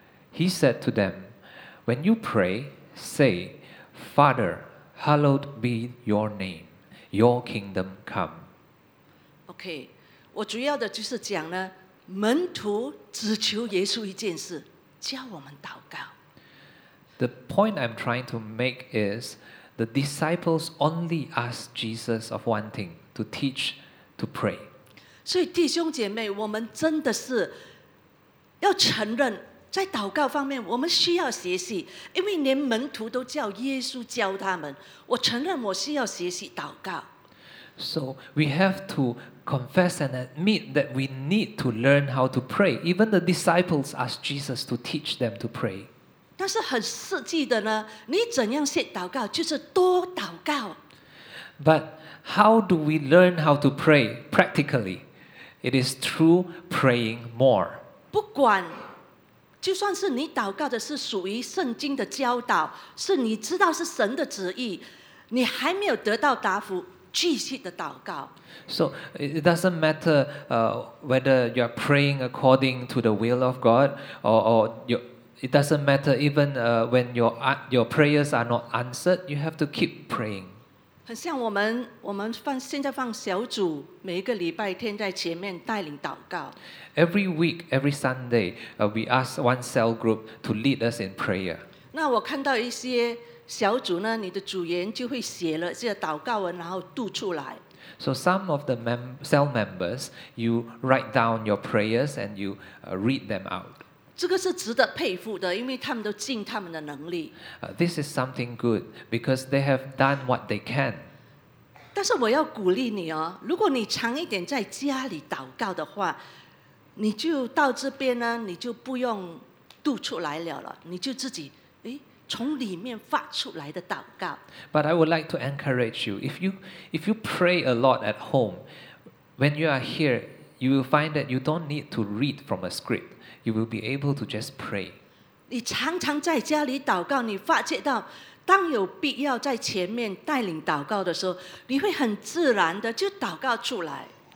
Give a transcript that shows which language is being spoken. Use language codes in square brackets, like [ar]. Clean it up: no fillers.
[en] He said to them, When you pray, say, Father, hallowed be your name, your kingdom come. [zh] Okay, 我主要的就是讲呢，门徒只求耶稣一件事，教我们祷告。 [en] The point I'm trying to make is the disciples only ask Jesus of one thing, to teach to pray. [zh] 所以弟兄姐妹，我们真的是要承认，在祷告方面我们需要学习，因为连门徒都叫耶稣教他们，我承认我需要学习祷告。 [en] So we have to confess and admit that we need to learn how to pray. Even the disciples ask Jesus to teach them to pray. [zh] 但是很实际的呢，你怎样学祷告，就是多祷告。 [en] But how do we learn how to pray practically? It is through praying more. [zh] 不管，就算是你祷告的是属于圣经的教导，是你知道是神的旨意，你还没有得到答复，继续的祷告。 [en] So it doesn't matter whether you are praying according to the will of God or your It doesn't matter even when your prayers are not answered, you have to keep praying. [zh] 很像我们放现在放小组，每一个礼拜天在前面带领祷告。 [en] Every week, every Sunday, we ask one cell group to lead us in prayer. [zh] 那我看到一些小组呢，你的组员就会写了这个祷告文，然后读出来。 [en] So some of the cell members, you write down your prayers and you read them out. [zh] 这个是值得佩服的，因为他们都尽他们的能力。 [en] This is something good because they have done what they can. [zh] 但是我要鼓励你哦，如果你长一点在家里祷告的话，你就到这边呢，你就不用读出来了，你就自己从里面发出来的祷告。 [en] But I would like to encourage you, if you pray a lot at home, when you are here, you will find that you don't need to read from a script. You will be able to just pray. [zh] 你常常在家里祷告，你发觉到当有必要在前面带领祷告的时候，你会很自然的就祷告出来。